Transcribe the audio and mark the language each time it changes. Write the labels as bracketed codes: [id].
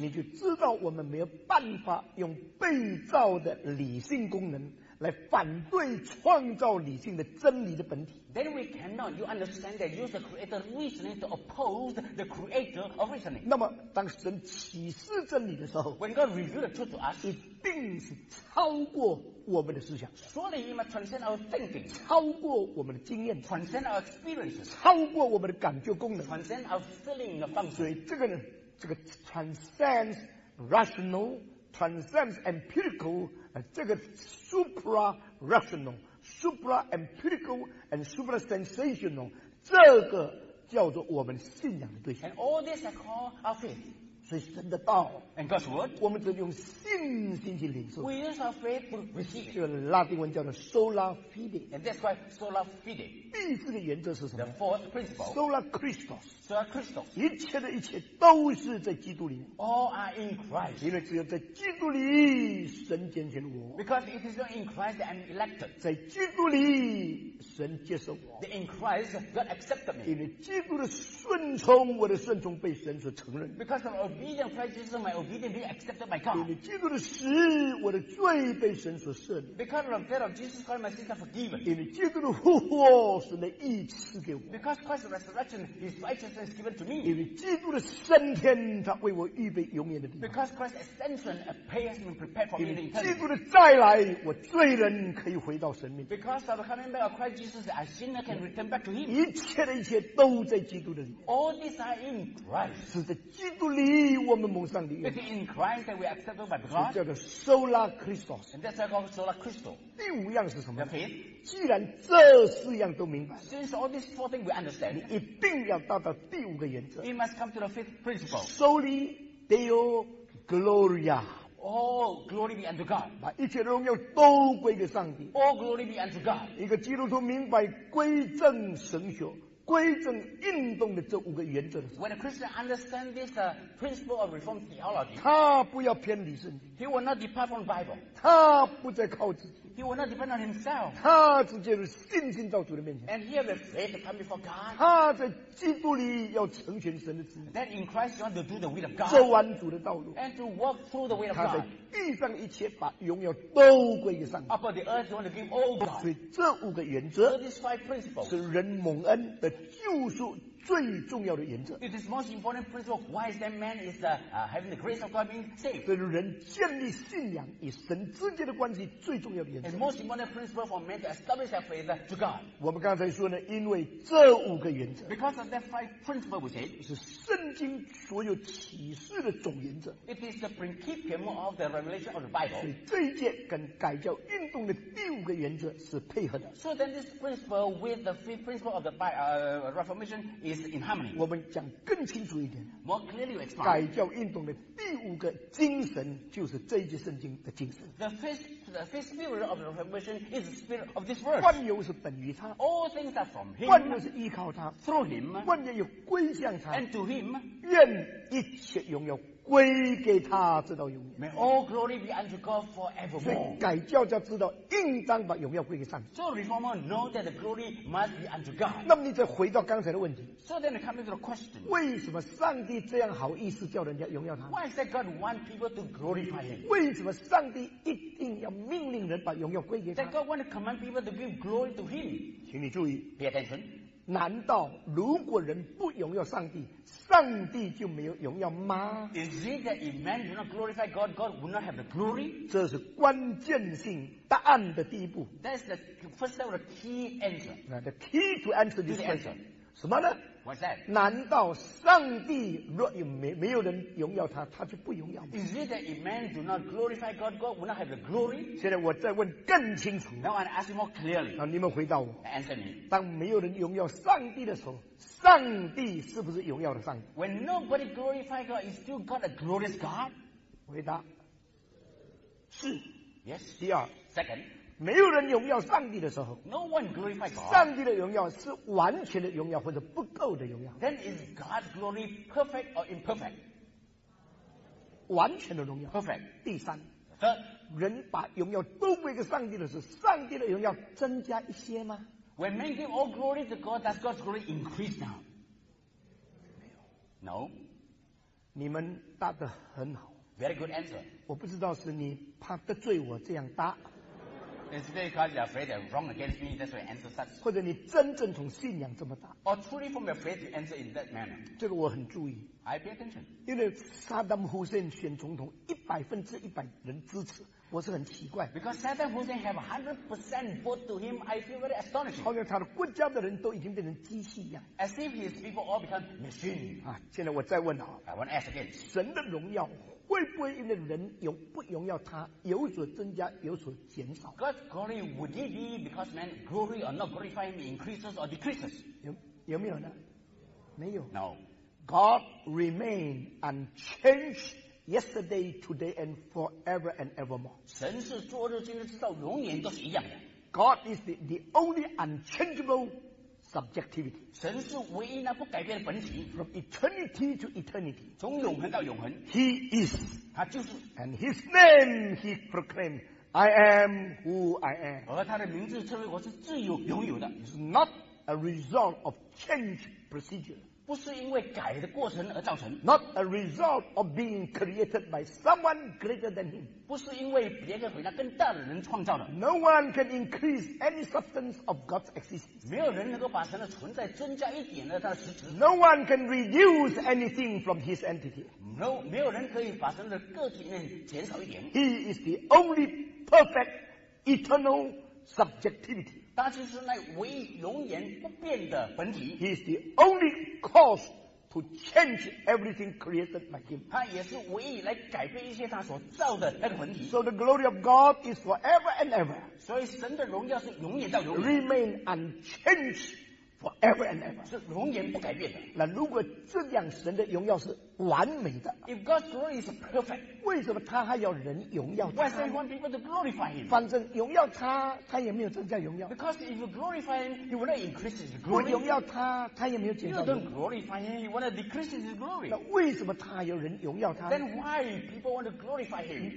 [zh] 你就知道我们没有办法用被造的理性功能来反对创造理性的真理的本体。 [en] Then we cannot. You understand that use the creator's reasoning to oppose the creator of reasoning. [zh] 那么当神启示真理的时候 [en] ，When God revealed the truth to us, [zh] 一定是超过。我们的思想 [en] Surely he must transcend our thinking [zh] 超过我们的经验 [en] Transcend our experiences [zh] 超过我们的感觉功能 [en] Transcend our feeling of function [zh] 所以这个呢这个 [en] transcends rational transcends empirical 这个 supra rational supra empirical and supra sensational 这个 [zh] 叫做我们信仰的对象。 [en] And all these are called our faith. [zh] 所以神的道 [en] and God's word, [zh] 我们只用信心去领受。 [en] We use our faith to receive. [zh] 这个拉丁文叫做 sola fide. [en] And that's why sola fide. [zh] 第四个原则是什么？ [en] The fourth principle. [la] Sola Christos. Sola Christos. [zh] 一切的一切都是在基督里面。 [en] All are in Christ. [zh] 因为只有在基督里，神拣选我。 [en] Because it is not in Christ that I'm elected. [zh] 在基督里，神接受我。 [en] That in Christ, God accepted me. [zh] 因为基督的顺从，我的顺从被神所承认。 [en] Because of obedience, Christ Jesus, my obedience being accepted by God. [zh] 因为基督的死，我的罪被神所赦免。 [en] Because of the death of Jesus Christ, my sins are forgiven. [zh] 因为基督的复活。神的义赐给我 [en] because Christ's resurrection his righteousness is given to me [zh] 因为基督的升天他为我预备永远的地方 [en] because Christ's ascension a place has been prepared for me [zh] 因为基督的再来我罪人可以回到神面前 [en] because of the coming back of Christ Jesus a sinner can return back to him [zh] 一切的一切都在基督的里 [en] all these are in Christ [zh] 是在基督里我们蒙上帝 [en] 恩 in Christ that we are accepted by God [zh] 叫做 sola Christos [en] and that's called sola Christos [zh] 第五样是什么 [en] the faith [zh] 既然这四样都明白 [en] Since all these four things we understand, [zh] 你一定要到达第五个原则 [en] We must come to the fifth principle. [la] Soli Deo Gloria. [en] All glory be unto God. [zh] 把一切荣耀都归给上帝 [en] All glory be unto God. [zh] 一个基督徒明白归正神学归正运动的这五个原则的时候 [en] When a Christian understands this principle of Reformed theology, [zh] 他不要偏离圣经 [en] He will not depart from the Bible. [zh] 他不再靠自己 [en] He will not depend on himself. [zh] 他只进入信心到主的面前 [en] And he has the faith to come before God. [zh] 他在基督里要成全神的旨意 [en] Then in Christ you want to do the will of God. [zh] 走完主的道路 [en] And to walk through the will of God. [zh] 他在地上一切把荣耀都归给上帝 [en] Upon the earth you want to give all God. [zh] 所以这五个原则 [en] So these five principles. [zh] 是人蒙恩的救赎最重要的原则 [en] It is most important principle why is that man is having the grace of God being saved [zh] 所以人建立信仰与神之间的关系最重要的原则 [en] And most important principle for man to establish their faith to God [zh] 我们刚才说呢因为这五个原则 [en] Because of that five principle we said [zh] 是圣经所有启示的总原则 [en] It is the principle of the revelation of the Bible [zh] 所以这一节跟改教运动的第五个原则是配合的 [en] So then this principle with the fifth principle of the Reformation is in harmony. [zh] 我们讲更清楚一点。 [en] More clearly, we explain. [zh] 改教运动的第五个精神就是这一节圣经的精神。 [en] The first spirit of the Reformation is the spirit of this word. [zh] 万有是本于他。 [en] All things are from him. [zh] 万有是依靠他。 [en] Through him. [zh] 万有又归向他。 [en] And to him. [zh] 愿一切拥有。归给他直到永远 [en] May all glory be unto God forevermore [zh] 所以改教就知道应当把荣耀归给上帝 [en] So reformer know that the glory must be unto God [zh] 那么你再回到刚才的问题 [en] So then coming to the question [zh] 为什么上帝这样好意思叫人家荣耀他 [en] Why is that God want people to glorify him [zh] 为什么上帝一定要命令人把荣耀归给他 [en] That God want to command people to give glory to him [zh] 请你注意 [en] Pay attention [zh] 难道如果人不荣耀上帝，上帝就没有荣耀吗 [en] ？Is it that if man do not glorify God, God will not have the glory？ [zh] 这是关键性答案的第一步。 [en] That's the first step of the key answer. The key to answer this question. [zh] 什么呢 [en] ？What's that？ [zh] 难道上帝若有没有人荣耀他，他就不荣耀吗 [en] ？Is it that if man do not glorify God, God will not have the glory？ [zh] 现在我再问更清楚。 [en] Now I ask you more clearly. [zh] 好，你们回答我。 [en] Answer me. [zh] 当没有人荣耀上帝的时候。上帝是不是荣耀的上帝 [en] When nobody glorifies God, is still God a glorious God? [zh] 回答是 [en] Yes. [zh] 第二 [en] Second. [zh] 没有人荣耀上帝的时候 [en] No one glorifies God. [zh] 上帝的荣耀是完全的荣耀或者不够的荣耀 [en] Then is God's glory perfect or imperfect? [zh] 完全的荣耀 [en] Perfect. [zh] 第三 [en] Third. [zh] 人把荣耀都归给上帝的时候上帝的荣耀增加一些吗 [en] When men give all glory to God, does God's glory increase now? No. [zh] 你们答得很好。 [en] Very good answer. [zh] 我不知道是你怕得罪我这样答。 [en] Is it because you're afraid you're wrong against me? That's why answer such. [zh] 或者你真正从信仰这么答。 [en] Or truly from your faith, you answer in that manner. [zh] 这个我很注意。 [en] I pay attention. [zh] 因为萨达姆·胡森选总统，100%人支持。我是很奇怪 [en] because Saddam Hussein have 100% vote to him I feel very astonished [zh] 好像他的国家的人都已经变成机器一样 [en] as if his people all become machine [zh] 现在我再问啊 [en] I want to ask again [zh] 神的荣耀会不会因为人有不荣耀他有所增加有所减少 [en] God's glory would it be because man glory or not glorify him increases or decreases [zh] 有没有呢没有。 [en] No. God remain unchanged yesterday, today, and forever and evermore. [zh] 神是昨日、今日、直到永远都是一样的。 [en] God is the only unchangeable subjectivity. [zh] 神是唯一那不改变的本体。 [en] From eternity to eternity. [zh] 从永恒到永恒。 [en] He is. [zh] 他就是。 [en] And his name he proclaimed. I am who I am. [zh] 而他的名字称为我是自由拥有的。 [en] It's not a result of change procedure. [zh] 不是因为改的过程而造成。 [en] Not a result of being created by someone greater than him. [zh] 不是因为别人比他更大的人创造的。 [en] No one can increase any substance of God's existence. [zh] 没有人能够把神的存在增加一点的他的实质。 [en] No one can reduce anything from his entity. [zh] No, 没有人可以把神的个体面减少一点。 [en] He is the only. Perfect eternal subjectivity. [zh] 他就是那唯一永远不变的本体。 [en] He is the only cause to change everything created by him. [zh] 他也是唯一来改变一切他所造的那个本体。 [en] So the glory of God is forever and ever. [zh] 所以神的荣耀是永远到永远。 [en] Remain unchanged forever and ever. [zh] 是永远不改变的。那如果这样，神的荣耀是完美的。 [en] If God's glory is perfect. [zh] 为什么他还要人荣耀他 [en] ？Why does he want people to glorify him？ [zh] 反正荣耀他，他也没有增加荣耀。 [en] Because if you glorify him, he will not increase his glory. [zh] 荣耀他，他也没有减少。 [en] You don't glorify him, he will not decrease his glory. [zh] 那为什么他还要人荣耀他 [en] ？Then why people want to glorify him？